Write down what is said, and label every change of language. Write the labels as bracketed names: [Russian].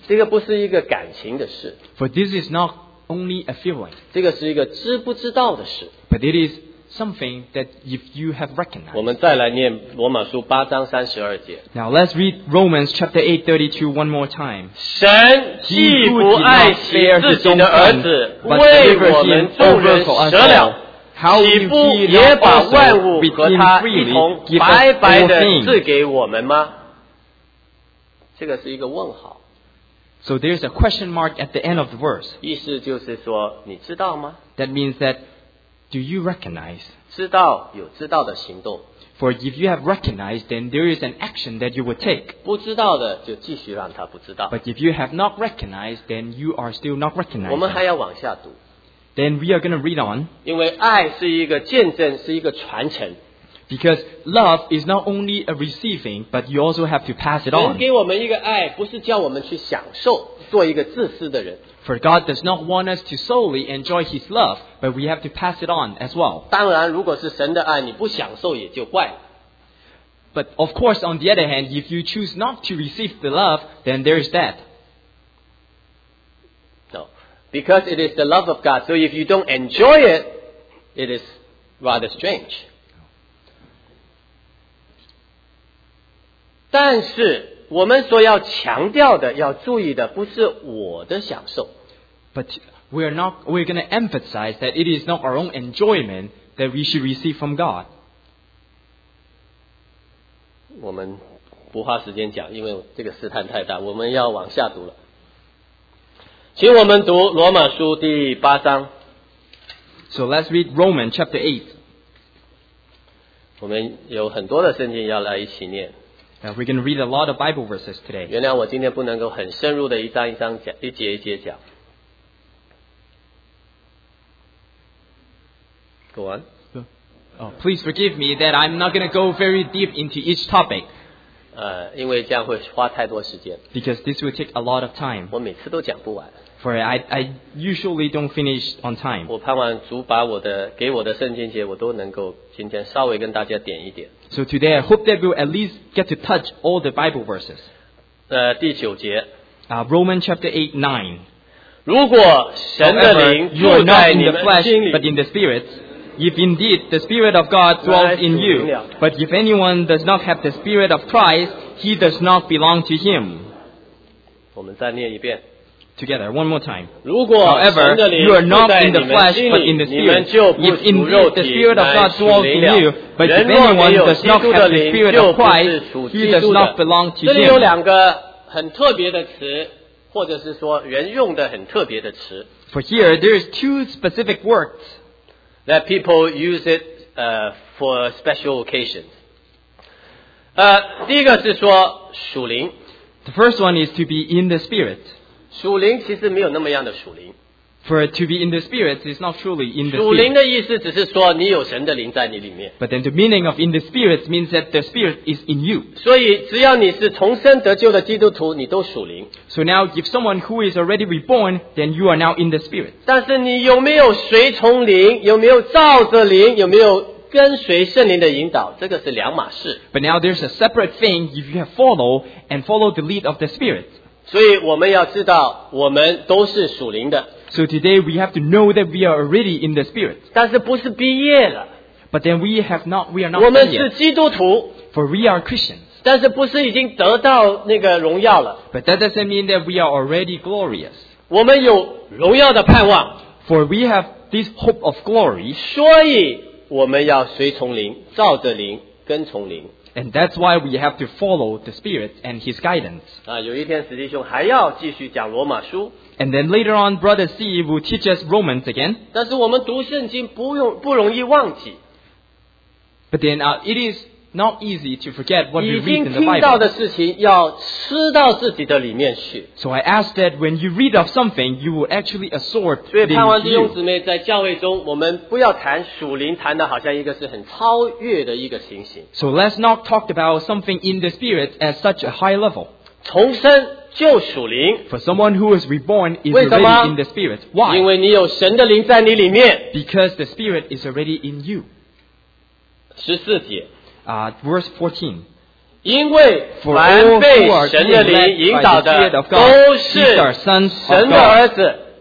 [Chinese] 这个不是一个感情的事。 [English] For this is not only a feeling. [Chinese] 这个是一个知不知道的事。 [English] But it is something that if you have recognized. [Chinese] 我们再来念罗马书八章三十二节。 [English] Now let's read Romans chapter 8:32 one more time. [Chinese] 神既不爱惜自己的儿子，为我们众人舍了，岂不也把万物和他一同白白的赐给我们吗？这个是一个问号。 [English] So there's a question mark at the end of the verse. [Chinese] 意思就是说，你知道吗？ [English] That means that. Do you recognize? [Chinese] 知道有知道的行动。 [English] For if you have recognized, then there is an action that you would take. [Chinese] 不知道的就继续让他不知道。 [English] But if you have not recognized, then you are still not recognizing. [Chinese] 我们还要往下读。 [English] Then we are going to read on. [Chinese] 因为爱是一个见证，是一个传承。 [English] Because love is not only a receiving, but you also have to pass it on. [Chinese] 神给我们一个爱，不是叫我们去享受，做一个自私的人。 [English] For God does not want us to solely enjoy His love, but we have to pass it on as well. [Chinese] 当然，如果是神的爱，你不享受也就怪了。 [English] But of course, on the other hand, if you choose not to receive the love, then there is that. No, because it is the love of God. So if you don't enjoy it, it is rather strange. [Chinese] 但是我们所要强调的、要注意的，不是我的享受。 [English] But we're going to emphasize that it is not our own enjoyment that we should receive from God. [Chinese] 我们不花时间讲，因为这个试探太大，我们要往下读了。请我们读罗马书第八章。 [English] So let's read Romans chapter 8. [Chinese] 我们有很多的圣经要来一起念。 [English] Now, we're going to read a lot of Bible verses today. [Chinese] 原谅我今天不能够很深入的一章一章讲，一节一节讲。 [English] Go on. Oh, please forgive me that I'm not going to go very deep into each topic. [Chinese] 因为这样会花太多时间。 [English] Because this will take a lot of time. [Chinese] 我每次都讲不完。 [English] For I usually don't finish on time. [Chinese] 我盼望主把我的给我的圣经节，我都能够今天稍微跟大家点一点。 [English] So today I hope that we'll at least get to touch all the Bible verses. [Chinese] 第九节。 [English] Romans chapter 8:9. [Chinese] 如果神的灵住在你们心里 [English] However, you are not in the flesh, but in the spirit. If indeed the Spirit of God dwells in you, but if anyone does not have the Spirit of Christ, he does not belong to him. [Chinese] 我们再念一遍。 [English] Together, one more time. [Chinese] 如果 [English] However, you are not in the flesh, but in the Spirit. If indeed the Spirit of God dwells in you, but if anyone does not have the Spirit of Christ, he does not belong to him. [Chinese] 这里有两个很特别的词，或者是说人用的很特别的词。 [English] For here, there is two specific words. That people use it for special occasions. [Chinese] 第一个是说属灵。 [English] The first one is to be in the spirit. [Chinese] 属灵其实没有那么样的属灵。 [English] For to be in the Spirit is not truly in the [Chinese] Spirit. 属灵的意思只是说你有神的灵在你里面。 [English] But then the meaning of in the Spirit means that the Spirit is in you. [Chinese] 所以只要你是重生得救的基督徒，你都属灵。 [English] So now, if someone who is already reborn, then you are now in the Spirit. [Chinese] 但是你有没有随从灵，有没有照着灵，有没有跟随圣灵的引导，这个是两码事。 [English] But now there's a separate thing if you have followed and followed the lead of the Spirit. [Chinese] 所以我们要知道，我们都是属灵的。 [English] So today we have to know that we are already in the Spirit. [Chinese] 但是不是毕业了。 [English] But then we are not. [Chinese] 我们是基督徒。 [English] For we are Christians. [Chinese] 但是不是已经得到那个荣耀了。 [English] But that doesn't mean that we are already glorious. [Chinese] 我们有荣耀的盼望。 [English] For we have this hope of glory. [Chinese] 所以我们要随从灵，照着灵，跟从灵。 [English] And that's why we have to follow the Spirit and His guidance. [Chinese] 啊，有一天史弟兄还要继续讲罗马书。 [English] And then later on, Brother C will teach us Romans again. [Chinese] 但是我们读圣经不容易忘记。 [English] But then, it is not easy to forget what we read in the Bible. [Chinese] 已经听到的事情要吃到自己的里面去。 [English] So I ask that when you read of something, you will actually absorb it. [Chinese] 所以盼望弟兄姊妹在教会中，我们不要谈属灵，谈的好像一个是很超越的一个情形。 [English] So let's not talk about something in the spirit at such a high level. [Chinese] 重生。就属灵。 [English] For someone who is reborn is already in the spirit. Why? [Chinese] 因为你有神的灵在你里面。 [English] Because the spirit is already in you. [Chinese] 十四节。 [English] Verse 14. [Chinese] 因为凡被神的灵引导的都是神的儿子。